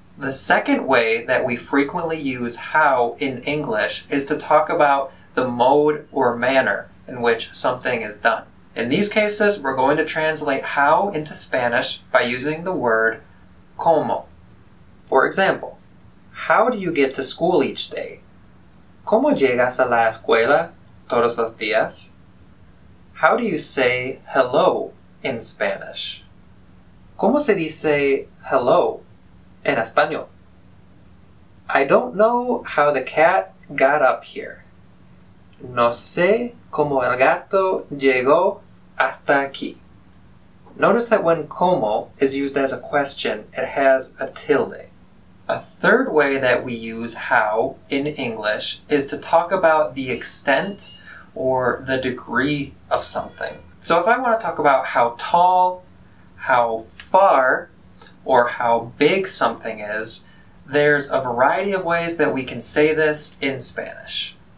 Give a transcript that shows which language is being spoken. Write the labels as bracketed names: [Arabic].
[English] The second way that we frequently use how in English is to talk about the mode or manner in which something is done. In these cases, we're going to translate how into Spanish by using the word cómo. For example, how do you get to school each day? [Spanish] ¿Cómo llegas a la escuela todos los días? [English] How do you say hello in Spanish? [Spanish] ¿Cómo se dice hello en español? [English] I don't know how the cat got up here. [Spanish] No sé cómo el gato llegó hasta aquí. [English] Notice that when cómo is used as a question, it has a tilde. A third way that we use how in English is to talk about the extent or the degree of something. So if I want to talk about how tall, how far, or how big something is, there's a variety of ways that we can say this in Spanish.